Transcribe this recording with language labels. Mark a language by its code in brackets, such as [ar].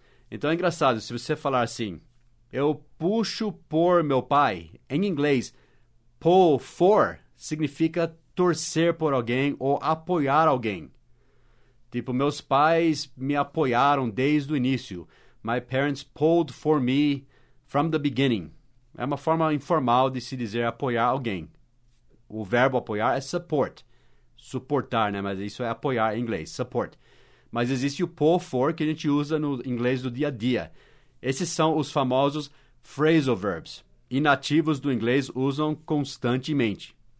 [pt] Então é engraçado, se você falar assim, eu puxo por meu pai, em inglês, pull for significa torcer por alguém ou apoiar alguém. Tipo, meus pais me apoiaram desde o início. [en] My parents pulled for me from the beginning. [pt] É uma forma informal de se dizer apoiar alguém. O verbo apoiar é support. Suportar, né? Mas isso é apoiar em inglês, support. Mas existe o pull for que a gente usa no inglês do dia a dia. Esses são os famosos phrasal verbs. E nativos do inglês usam constantemente.